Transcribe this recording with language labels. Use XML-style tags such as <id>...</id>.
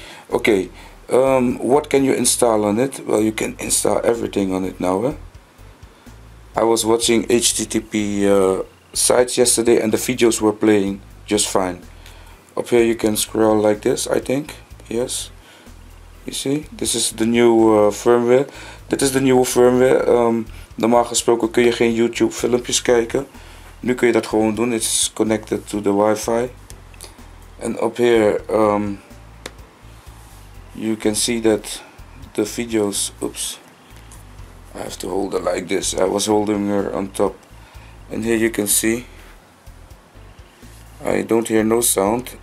<en>Okay, what can you install on it? Well, you can install everything on it now. I was watching HTTP sites yesterday and the videos were playing just fine. Up here you can scroll like this, I think. Yes, you see, this is the new firmware. That is the nieuwe firmware.</en> <nl>Normaal gesproken kun je geen YouTube filmpjes kijken. Nu kun je dat gewoon doen.</nl> <en>It's connected to the Wi-Fi. And up here you can see that the videos, oops, I have to hold it like this. I was holding her on top. And here you can see I don't hear no sound.</en>